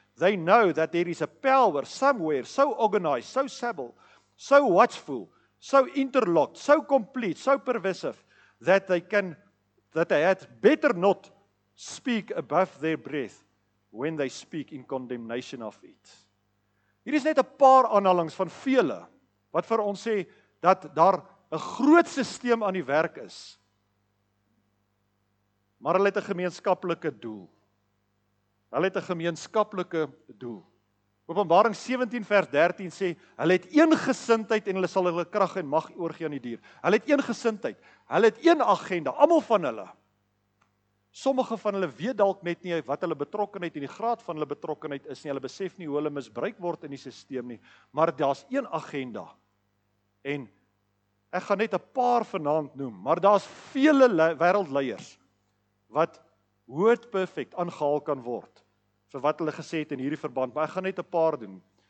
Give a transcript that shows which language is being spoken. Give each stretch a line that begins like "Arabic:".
English: They know that there is a power somewhere, so organized, so subtle, so watchful, so interlocked, so complete, so pervasive, that they had better not speak above their breath when they speak in condemnation of it.
Afrikaans: Hier is net 'n paar aanhalings van vele wat vir ons sê dat daar 'n groot stelsel aan die werk is. Maar hulle het 'n gemeenskaplike doel. Hulle het 'n gemeenskaplike doel. Openbaring 17 vers 13 sê, hulle het een gesindheid en hulle sal hulle krag en mag oorgee aan die dier. Hulle het een gesindheid. Hulle het een agenda, almal van hulle. Sommige van hulle weet dalk net nie wat hulle betrokkeheid en die graad van hulle betrokkeheid is nie. Hulle besef nie hoe hulle misbruik word in die stelsel nie. Maar daar's een agenda. En ek gaan net 'n paar vanaand noem, maar daar's vele wêreldleiers wat hoort perfek aangehaal kan word vir wat hulle gesê het in hierdie verband, maar ek gaan net 'n paar doen.